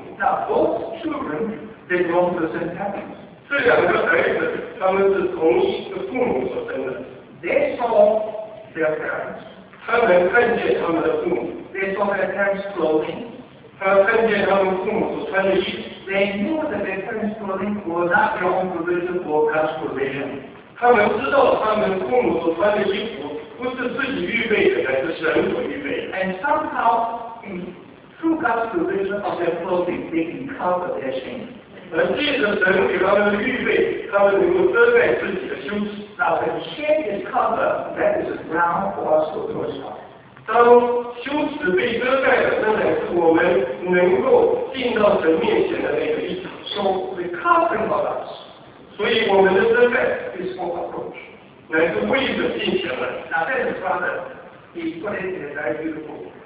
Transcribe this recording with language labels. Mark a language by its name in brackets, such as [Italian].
[English] Now both children they belong to the same parents. [Chinese] 这两个孩子他们是同一个父母所生的。 [English] They saw their parents. [Chinese] 他们看见他们的父母。 [English] They saw their parents' clothing. [Chinese] 他看见他们父母所穿的衣服。 [English] They knew that their parents' clothing was not their own provision or God's provision. [Chinese] 他们知道他们父母所穿的衣服不是自己预备的，乃是神所预备的。 [English] And somehow, through God's provision of their clothing, they can cover their shame. [Chinese] 而借着神给他们预备，他们能够遮盖自己的羞耻。 [English] Now, when shame is covered, that is ground for us to worship. [Chinese] 当羞耻被遮盖了，那乃是我们能够进到神面前的那个立场。 [English] So the covering of us, [Chinese] 所以我们的遮盖 [English] is for approach, [Chinese] 乃是为着进前来。 [English] Now that is rather, he put it in a very beautiful.